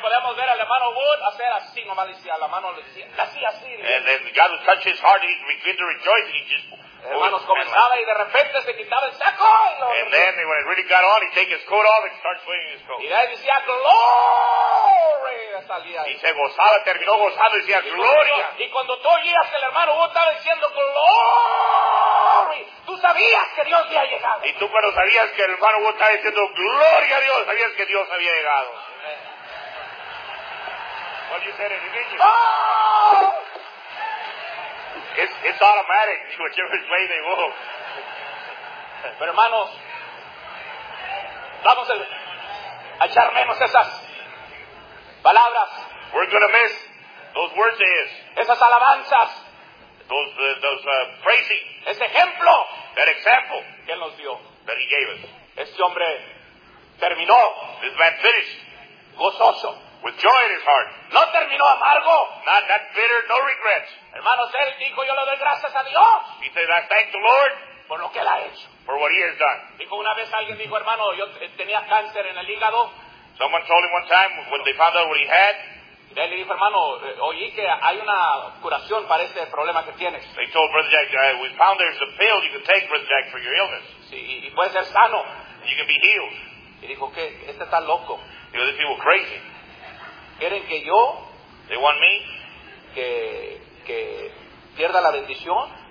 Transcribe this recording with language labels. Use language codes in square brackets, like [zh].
[es] Podemos ver al hermano Wood hacer así, nomás decía, la mano le decía, así, así. [en] And then God would touch his heart, he'd begin to rejoice, he just... [es] Hermanos, comenzaba y de repente se quitaba el saco. [en] And then when it really got on, he'd take his coat off and start swinging his coat. [es] Y ahí decía, gloria, salía ahí. Y se gozaba, terminó gozando y decía, gloria. Y cuando tú oías el hermano Wood estaba diciendo, gloria. Tú sabías que Dios había llegado. Y tú cuando sabías que el hermano Wood estaba diciendo, gloria a Dios, sabías que Dios había llegado. [en] Well, you said it in English. It's automatic, whichever way they go. [es] Pero hermanos, vamos a echar menos esas palabras. [en] We're going to miss those words of his. [es] Esas alabanzas. [en] Those praising. [es] Ese ejemplo. [en] That example. [es] Que él nos dio. [en] That he gave us. [es] Este hombre terminó. [en] This man finished. [es] Gozoso. [en] With joy in his heart. [es] No terminó amargo. [en] Not bitter, no regrets. [es] Hermanos, él dijo, yo le doy gracias a Dios. [en] He said, I thank the Lord. [es] Por lo que él ha hecho. [en] For what he has done. [es] Dijo, una vez alguien dijo, hermano, yo tenía cáncer en el hígado. [en] Someone told him one time, when they found out what he had. [es] Y él dijo, hermano, oí que hay una curación para este problema que tienes. [en] They told Brother Jack, we found there's a pill you can take, Brother Jack, for your illness. [es] Sí, y puede ser sano. [en] You can be healed. [es] Y dijo, ¿qué? Este está loco. [en] He goes, these people are crazy. [es] ¿Quieren que yo? [en] They want me? [es] Que pierda la bendición?